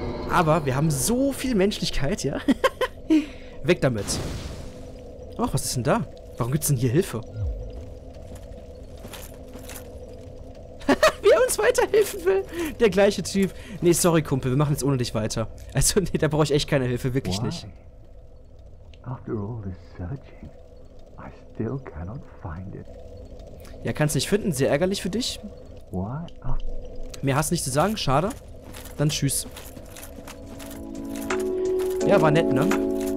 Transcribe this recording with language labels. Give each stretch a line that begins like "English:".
German: Aber wir haben so viel Menschlichkeit, ja? Weg damit. Ach, was ist denn da? Warum gibt es denn hier Hilfe? Wie er uns weiterhelfen will. Der gleiche Typ. Nee, sorry, Kumpel. Wir machen jetzt ohne dich weiter. Also, nee, da brauche ich echt keine Hilfe. Wirklich nicht.
English: After all this searching, I still cannot find it.
German: Ja, kannst nicht finden. Sehr ärgerlich für dich. Mehr hast du nicht zu sagen. Schade. Dann tschüss. Ja, war nett, ne?